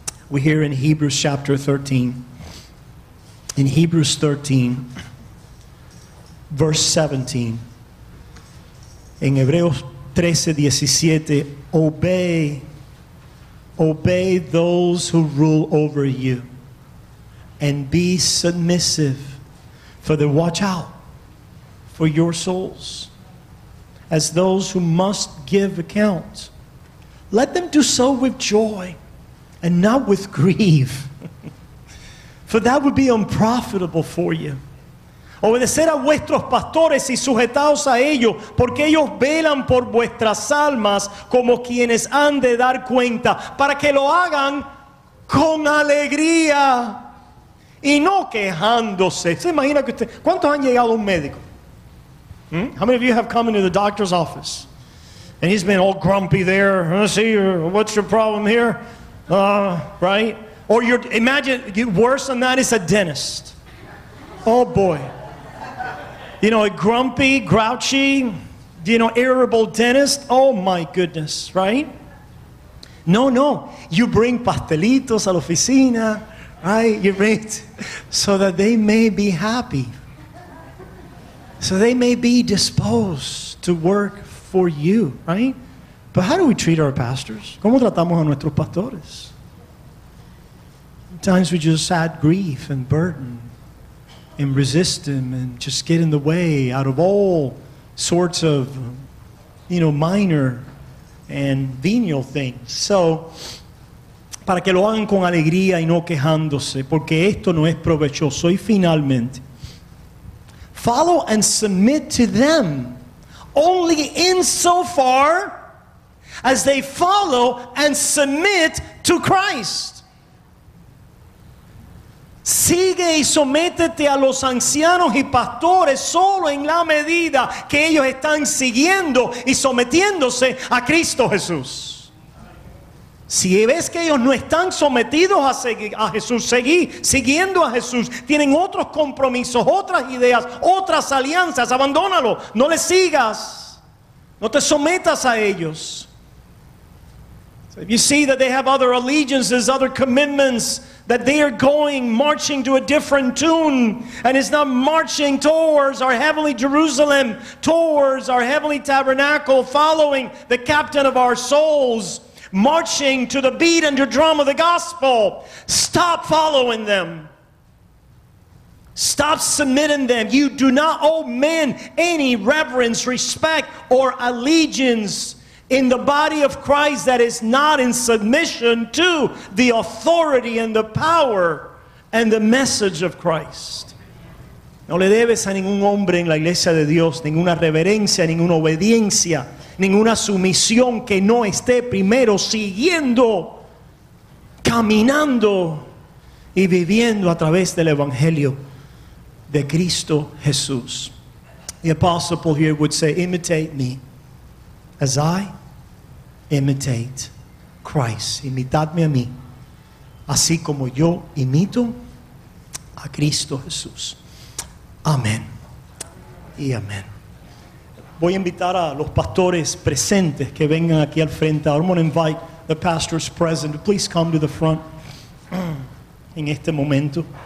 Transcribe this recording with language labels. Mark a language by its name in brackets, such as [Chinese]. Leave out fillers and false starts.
[English] We hear in Hebrews chapter 13, in Hebrews 13, verse 17, in Hebreos 13, 17, obey those who rule over you and be submissive. For the watch out for your souls as those who must give account. Let them do so with joy and not with grief. For that would be unprofitable for you. [Spanish] Obedecer a vuestros pastores y sujetaos a ellos, porque ellos velan por vuestras almas como quienes han de dar cuenta, para que lo hagan con alegría. Y no quejándose. ¿Se imagina que usted? ¿Cuántos han llegado a un médico? [English] How many of you have come into the doctor's office? And he's been all grumpy there. Let's see, what's your problem here? Right? Or you're, imagine, worse than that is a dentist. Oh boy. You know, a grumpy, grouchy, you know, irritable dentist. Oh my goodness, right? [Spanish] No, no. [English] You bring [Spanish] pastelitos a la oficina. [English] Right, you're right. So that they may be happy. So they may be disposed to work for you, right? But how do we treat our pastors? [Spanish] ¿Cómo tratamos a nuestros pastores? [English] Sometimes we just add grief and burden and resist them and just get in the way out of all sorts of, you know, minor and venial things. So, [Spanish] para que lo hagan con alegría y no quejándose, porque esto no es provechoso. Y finalmente, [English] follow and submit to them only in so far as they follow and submit to Christ. [Spanish] Sigue y sométete a los ancianos y pastores solo en la medida que ellos están siguiendo y sometiéndose a Cristo Jesús. Si ves que ellos no están sometidos a Jesús, siguiendo a Jesús, tienen otros compromisos, otras ideas, otras alianzas, abandónalo, no les sigas, no te sometas a ellos. [English] So if you see that they have other allegiances, other commitments, that they are going, marching to a different tune, and it's not marching towards our heavenly Jerusalem, towards our heavenly tabernacle, following the captain of our souls, marching to the beat and your drum of the gospel. Stop following them. Stop submitting them. You do not owe men any reverence, respect, or allegiance in the body of Christ that is not in submission to the authority and the power and the message of Christ. [Spanish] No le debes a ningún hombre en la iglesia de Dios ninguna reverencia, ninguna obediencia, ninguna sumisión que no esté primero siguiendo, caminando y viviendo a través del Evangelio de Cristo Jesús. [English] The Apostle Paul here would say, imitate me as I imitate Christ. [Spanish] Imitadme a mí, así como yo imito a Cristo Jesús. Amén y amén. Voy a invitar a los pastores presentes que vengan aquí al frente. [English] I'm going to invite the pastors present to please come to the front [Spanish] en este momento.